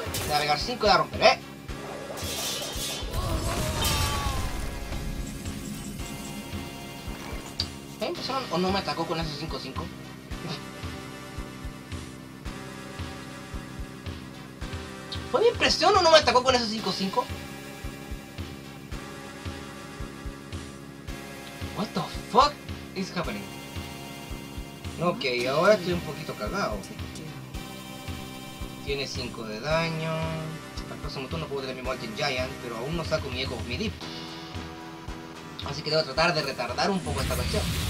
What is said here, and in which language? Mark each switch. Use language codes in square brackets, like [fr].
[es] Va a pegar 5 y la va a romper, ¿Me impresionó o no me atacó con ese 5-5? ¿Fue mi impresión o no me atacó con ese 5-5? [en] What the fuck is happening? [es] Ok, ahora estoy un poquito cagado. Tiene 5 de daño. Al próximo turno puedo tener mi Molten Giant, pero aún no saco mi Echo of Midip. Así que debo tratar de retardar un poco esta cuestión.